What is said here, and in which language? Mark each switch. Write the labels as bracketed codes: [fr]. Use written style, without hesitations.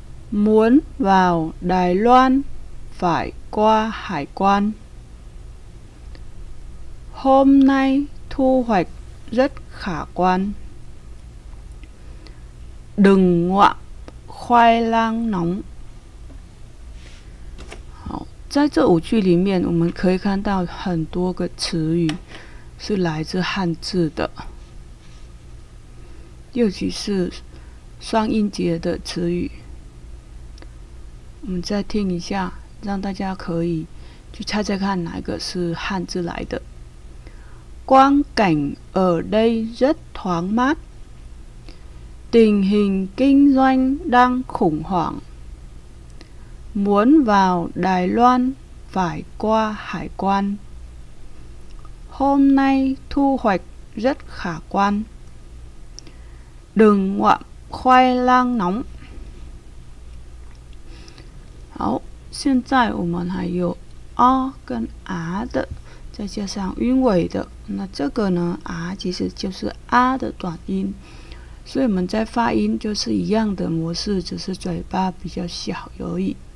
[vi] Muốn vào Đài Loan phải qua hải quan. Hôm nay thu hoạch rất khả quan. Đừng ngoạm khoai lang nóng. [zh] 在这五句里面，我们可以看到很多个词语是来自汉字的，尤其是双音节的词语。我们再听一下，让大家可以去猜猜看哪一个是汉字来的。光景 [vi] ở đây rất thoáng mát. Tình hình kinh doanh đang khủng hoảng. Muốn vào Đài Loan phải qua hải quan. Hôm nay thu hoạch rất khả quan. Đừng ngoạm khoai lang nóng. [zh] 好，现在我们还有 啊 跟 啊 的，再加上韵尾的。那这个呢 ，啊 其实就是 啊 的短音，所以我们在发音就是一样的模式，只是嘴巴比较小而已。